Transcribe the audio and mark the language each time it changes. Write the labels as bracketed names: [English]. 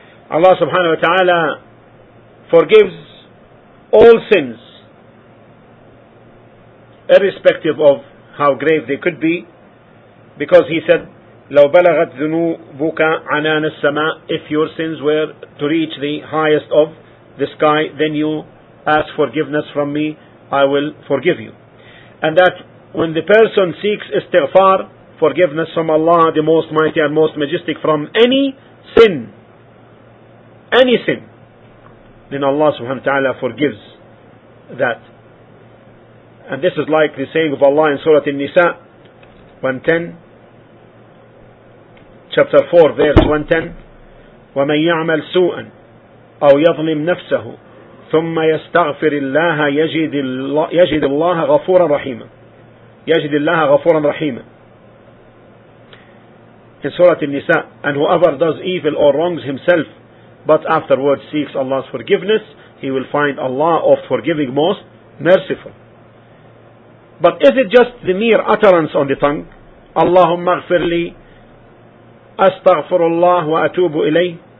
[English] Allah subhanahu wa ta'ala forgives all sins, irrespective of how grave they could be, because he said, [Arabic] لَوْ بَلَغَتْ ذُنُوبُكَ عَنَانَ السَّمَاءِ, [English] if your sins were to reach the highest of the sky, then you ask forgiveness from me, I will forgive you. And that when the person seeks istighfar, forgiveness from Allah, the Most Mighty and Most Majestic, from any sin, then Allah subhanahu wa ta'ala forgives that. And this is like the saying of Allah in Surah An-Nisa 110, chapter 4, verse 110, [Arabic] وَمَنْ يَعْمَلْ سُوءًا أَوْ يَظْلِمْ نَفْسَهُ ثُمَّ يَسْتَغْفِرِ اللَّهَ يَجِدِ اللَّهَ غَفُورًا رَحِيمًا [English] يَجِدِ اللَّهَ غَفُورًا رَحِيمًا. In Surah An-Nisa, and whoever does evil or wrongs himself but afterwards seeks Allah's forgiveness, he will find Allah of forgiving most merciful. But is it just the mere utterance on the tongue? [Arabic] Allahumma ighfirli, astaghfirullah wa atubu ilayh.